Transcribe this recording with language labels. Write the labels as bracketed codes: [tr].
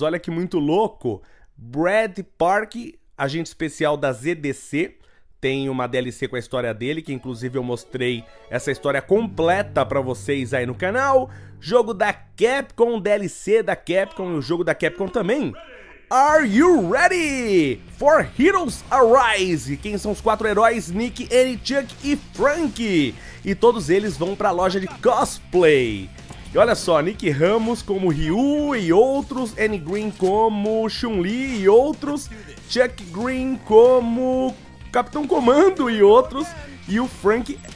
[pt] Olha que muito louco. Brad Park, agente especial da ZDC. Tem uma DLC com a história dele, que inclusive eu mostrei essa história completa pra vocês aí no canal. Jogo da Capcom, DLC da Capcom e o jogo da Capcom também. [en] Are you ready for Heroes Arise? [pt] Quem são os quatro heróis? Nick, Annie, Chuck e Frank. E todos eles vão pra loja de cosplay. E olha só, Nick Ramos como Ryu e outros. Annie Green como Chun-Li e outros. Chuck Green como Capitão Comando e outros. E o Frank...